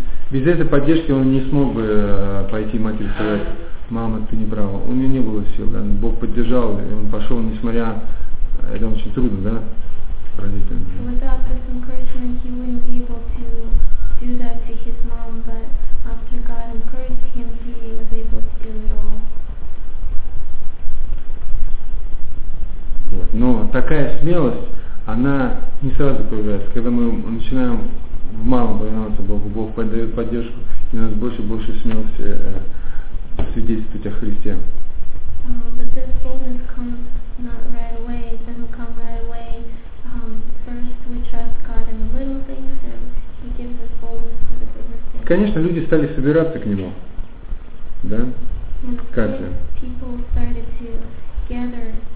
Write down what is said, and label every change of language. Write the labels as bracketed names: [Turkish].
[Russian] Без этой поддержки он не смог бы пойти матери и сказать, мама, ты не права. У него не было сил, да? Бог поддержал, и он пошел, несмотря, это очень трудно, да, родителям. Да? [English] Without this encouragement, he wouldn't be able to do that to his mom, but after God encouraged him, he was able to do it all. [Russian] Вот. Но такая смелость, она не сразу появляется, когда мы начинаем в малом повиноваться Богу, Бог дает поддержку, и у нас больше и больше смелости свидетельствовать о Христе. [English] But this boldness comes not right away, it doesn't come right away. First we trust God in the little things, and He gives us boldness for the bigger things. [Russian] Конечно, люди стали собираться к Нему, да? Каждый. [English] People started to gather.